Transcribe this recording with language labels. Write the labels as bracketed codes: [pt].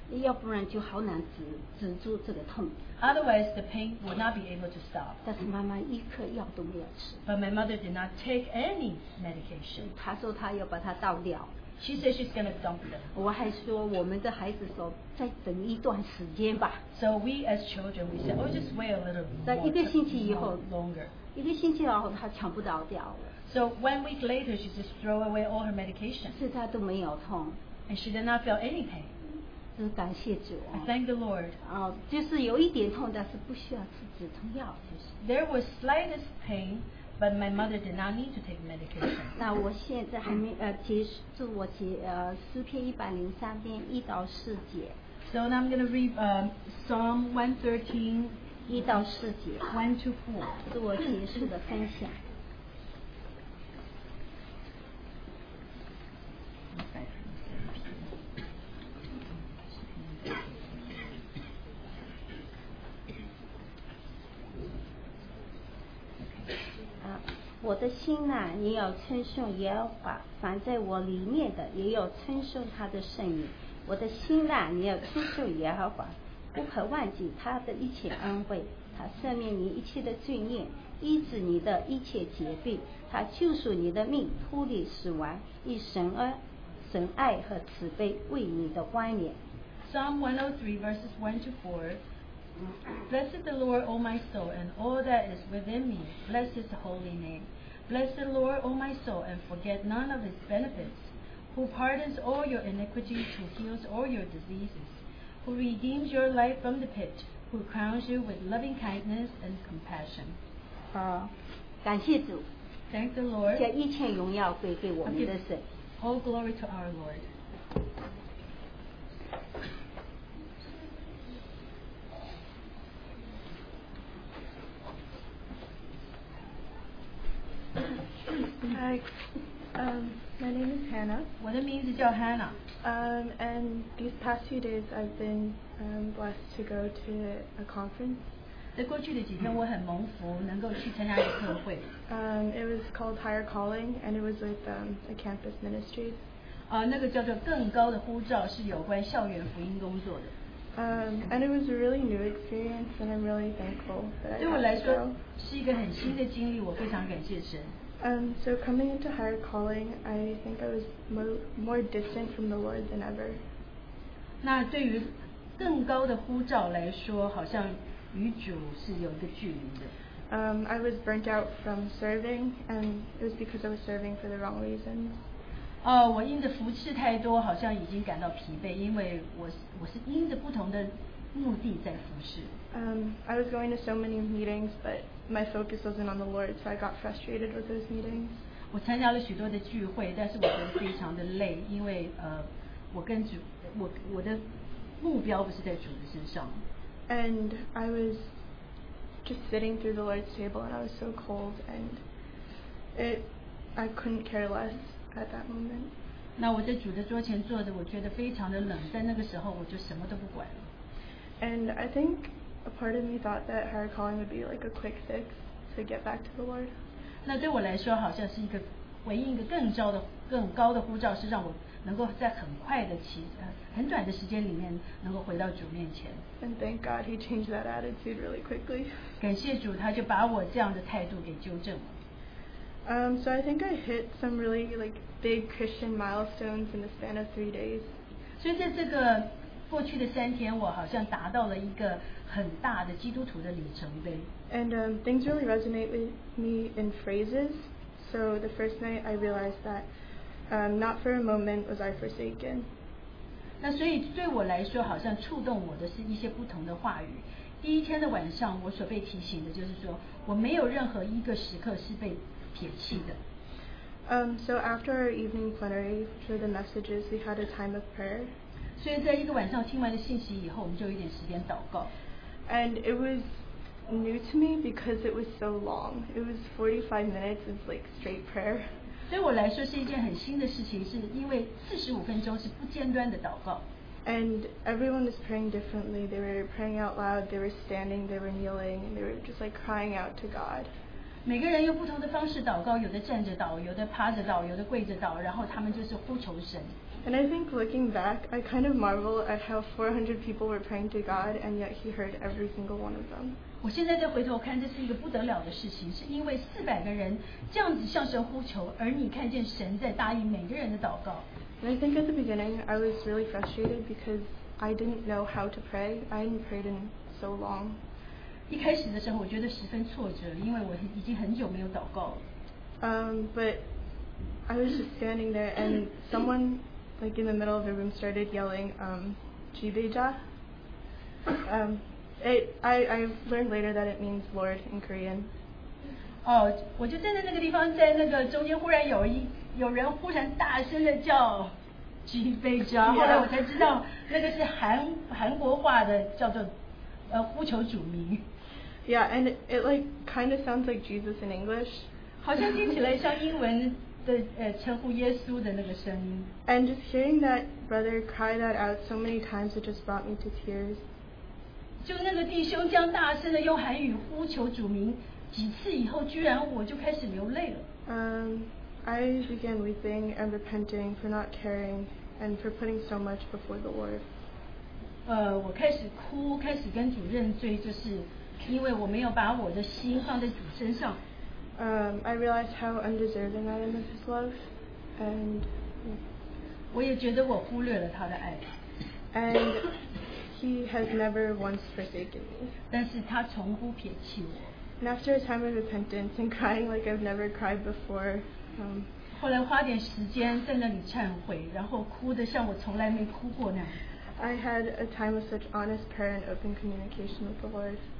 [zh] 要不然就好难止住这个痛。 [en] Otherwise, the pain would not be able to stop. [zh] 但是妈妈一颗药都没有吃。 [en] But my mother did not take any medication. [zh] 她说她要把它倒掉。 [en] She said she's going to dump them. [zh] 我还说我们的孩子说再等一段时间吧。 [en] So we as children, we said, oh, just wait a little more. [zh] 在一个星期以后 [en] longer. [zh] 一个星期以后她全部倒掉了。 [en] So 1 week later, she just threw away all her medication. [zh] 是她都没有痛。 [en] And she did not feel any pain. [zh] 就感谢主。 [en] Thank the Lord. [zh] 就是有一点痛，但是不需要吃止痛药，就是。 [en] There was slightest pain, but my mother did not need to take medication. [zh] 那我现在还没结束，祝我结诗篇一百零三篇一到四节。 [en] So now I'm going to read Psalm 113, [zh] 一到四节。 [en] One to four. [zh] 祝我结束的分享。我的心哪、啊、也要称颂耶和华凡在我里面的也要称颂他的圣名我的心哪、啊、也要称颂耶和华不可忘记他的一切恩惠他赦免你一切的罪孽医治你的一切疾病他救赎你的命脱离死亡以神恩神爱和慈悲为你的冠冕 [en] Psalm 103 verses 1 to 4Blessed the Lord, O my soul, and all that is within me, bless his holy name. Blessed the Lord, O my soul, and forget none of his benefits, who pardons all your iniquities, who heals all your diseases, who redeems your life from the pit, who crowns you with loving kindness and compassion. [zh] 感谢主。 [en] Thank the Lord. [zh] 将一切荣耀归给我们的神。 [en] All glory to our Lord. Hi, my name is Hannah. What it means is your Hannah. And these past few days, I've been blessed to go to a conference. [zh] 在过去的几天，我很蒙福能够去参加一个特会。 [en] It was called Higher Calling, and it was with a campus ministry. [zh] 那个叫做更高的呼召，是有关校园福音工作的。 [en] And it was a really new experience, and I'm really thankful that. [zh] 对我来说，是一个很新的经历，我非常感谢神。 [en] So coming into Higher Calling, I think I was more distant from the Lord than ever. [zh] 那对于更高的呼召来说，好像与主是有一个距离的。 [en] I was burnt out from serving, and it was because I was serving for the wrong reasons. [zh] 我因着服侍太多，好像已经感到疲惫，因为我是因着不同的目的在服侍。 [en] I was going to so many meetings, but my focus wasn't on the Lord, so I got frustrated with those meetings. [zh] 我参加了许多的聚会，但是我觉得非常的累，因为我的目标不是在主的身上。 [en] And I was just sitting through the Lord's table, and I was so cold, and I couldn't care less at that moment. [zh] 那我在主的桌前坐着，我觉得非常的冷，在那个时候我就什么都不管了。 [en] And I think a part of me thought that Higher Calling would be like a quick fix to get back to the Lord. [zh] 那对我来说好像是一个回应一个更高的呼召，是让我能够在很快的很短的时间里面能够回到主面前。 [en] And thank God he changed that attitude really quickly. [zh] 感谢主，他就把我这样的态度给纠正了。 [en] So I think I hit some really like big Christian milestones in the span of 3 days. [zh] 所以在这个过去的三天，我好像达到了一个很大的基督徒的里程碑。 [en] And things really resonate with me in phrases. So the first night, I realized that not for a moment was I forsaken. [zh] 那所以对我来说，好像触动我的是一些不同的话语。第一天的晚上，我所被提醒的就是说，我没有任何一个时刻是被撇弃的。 [en] So after our evening plenary, through the messages, we had a time of prayer. [zh] 所以在一个晚上听完的信息以后，我们就有点时间祷告。 [en] And it was new to me because it was so long. It was 45 minutes of like straight prayer. [zh] 对我来说是一件很新的事情，是因为四十五分钟是不间断的祷告。 [en] And everyone was praying differently. They were praying out loud. They were standing. They were kneeling. And they were just like crying out to God. [zh] 每个人用不同的方式祷告，有的站着祷，有的趴着祷，有的跪着祷，然后他们就是呼求神。 [en] And I think looking back, I kind of marvel at how 400 people were praying to God, and yet He heard every single one of them. [zh] 我现在再回头看，这是一个不得了的事情，是因为400个人这样子向神呼求，而你看见神在答应每个人的祷告。 [en] And I think at the beginning, I was really frustrated because I didn't know how to pray. I hadn't prayed in so long. [zh] 一开始的时候，我觉得十分挫折，因为我已经很久没有祷告了。 [en] But I was just standing there, and someone like in the middle of the room started yelling, "Jibeja." I learned later that it means Lord in Korean. [zh] 我就站在那个地方，在那个中间，忽然有一。有人忽然大声的叫举杯酒，后来我才知道那个是韩国话的，叫做呼求主名。 [en] Yeah, and it like kind of sounds like Jesus in English. [zh] 好像听起来像英文的称呼耶稣的那个声音。 [en] And just hearing that brother cry that out so many times, it just brought me to tears. [zh] 就那个弟兄这样大声的用韩语呼求主名几次以后，居然我就开始流泪了。 [en] I began weeping and repenting for not caring and for putting so much before the Lord. [zh] 我开始哭，开始跟主认罪，就是因为我没有把我的心放在主身上。 [en] I realized how undeserving I am of His love, and [zh] 我也觉得我忽略了他的爱。 [en] And He has never once forsaken me. [zh] 但是他从不撇弃我。 [en] And after a time of repentance and crying like I've never cried before. [zh] 后来花点时间在那里忏悔，然后哭得像我从来没哭过那样。 [en] I had a time of such honest prayer and open communication with the Lord.